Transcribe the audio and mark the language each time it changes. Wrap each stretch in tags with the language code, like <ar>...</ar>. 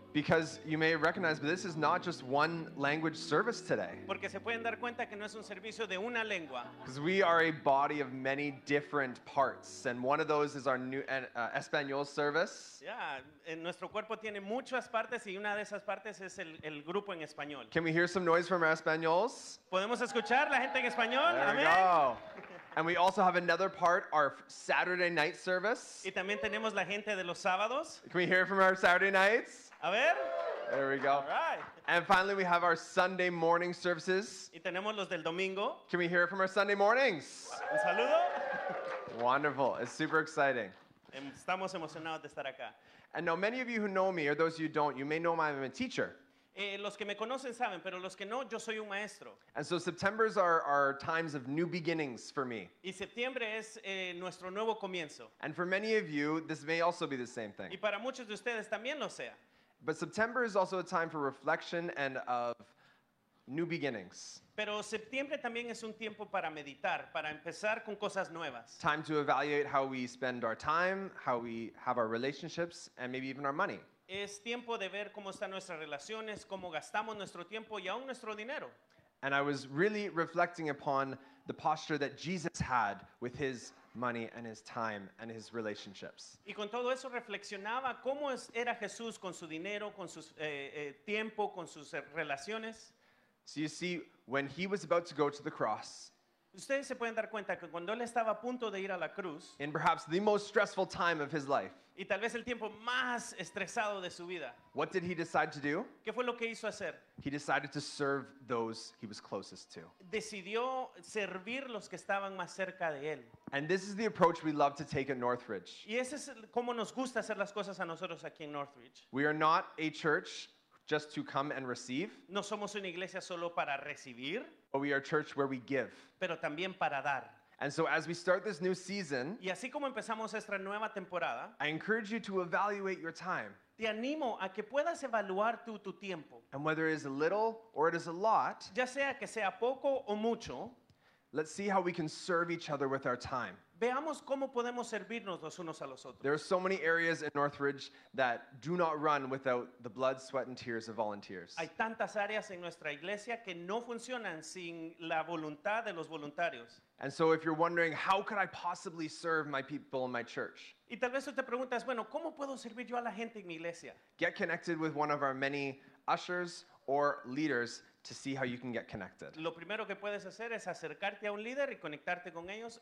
<en>Because you may recognize, but this is not just one language service today.</en> <es>Porque se pueden dar cuenta que no es un servicio de una lengua.</es> <en>Because we are a body of many different parts, and one of those is our new Espanol service.</en> <es>Yeah, en nuestro cuerpo tiene muchas partes, y una de esas partes es el grupo en español.</es> <en>Can we hear some noise from our Espanols?</en> <es>Podemos escuchar la gente en español.</es> <en>There Amen. We go. And we also have another part, our Saturday night service.</en> <es>Y también tenemos la gente de los sábados.</es> <en>Can we hear from our Saturday nights?</en> <es>A ver.</es> <en>There we go. All right. And finally, we have our Sunday morning services.</en> <es>Y tenemos los del domingo.</es> <en>Can we hear from our Sunday mornings?</en> <es>Un saludo.</es> <en>Wonderful. It's super exciting.</en> <es>Estamos emocionados de estar acá.</es> <en>And now, many of you who know me, or those of you who don't, you may know I'm a teacher.</en> <es>Los que me conocen saben, pero los que no, yo soy un maestro.</es> <en>And so September's are times of new beginnings for me.</en> <es>Y septiembre es nuestro nuevo comienzo.</es> <en>And for many of you, this may also be the same thing.</en> <es>Y para muchos de ustedes también lo sea.</es> <en>But September is also a time for reflection and of new beginnings.</en> <es>Pero septiembre también es un tiempo para meditar, para empezar con cosas nuevas.</es> <en>Time to evaluate how we spend our time, how we have our relationships, and maybe even our money.</en> <es>Es tiempo de ver cómo están nuestras relaciones, cómo gastamos nuestro tiempo y aún nuestro dinero.</es> <en>And I was really reflecting upon the posture that Jesus had with his money and his time and his relationships.</en> <es>Y con todo eso reflexionaba cómo era Jesús con su dinero, con su tiempo, con sus relaciones.</es> <en>So you see, when he was about to go to the cross,</en> <es>ustedes se pueden dar cuenta que cuando él estaba a punto de ir a la cruz,</es> <en>in perhaps the most stressful time of his life,</en> <es>y tal vez el tiempo más estresado de su vida,</es> <en>what did he decide to do?</en> <es>¿Qué fue lo que hizo hacer?</es> <en>He decided to serve those he was closest to.</en> <es>Decidió servir los que estaban más cerca de él.</es> <en>And this is the approach we love to take at Northridge.</en> <es>Y ese es cómo nos gusta hacer las cosas a nosotros aquí en Northridge.</es> <en>We are not a church just to come and receive.</en> <es>No somos una iglesia solo para recibir.</es> <en>But we are a church where we give.</en> <es>Pero también para dar.</es> <en>And so as we start this new season,</en> <es>y así como empezamos esta nueva temporada,</es> <en>I encourage you to evaluate your time.</en> <es>Te animo a que puedas evaluar tu tiempo.</es> <en>And whether it is a little or it is a lot,</en> <es>ya sea que sea poco o mucho,</es> <en>let's see how we can serve each other with our time.</en> <es>Veamos cómo podemos servirnos los unos a los otros.</es> <en>There are so many areas in Northridge that do not run without the blood, sweat, and tears of volunteers.</en> <es>Hay tantas áreas en nuestra iglesia que no funcionan sin la voluntad de los voluntarios.</es> <en>And so if you're wondering, how could I possibly serve my people in my church?</en> <es>Y tal vez tú te preguntas, bueno, ¿cómo puedo servir yo a la gente en mi iglesia?</es> <en>Get connected with one of our many ushers or leaders to see how you can get connected.</en> <es>Lo primero que puedes hacer es acercarte a un líder y conectarte con ellos.</es>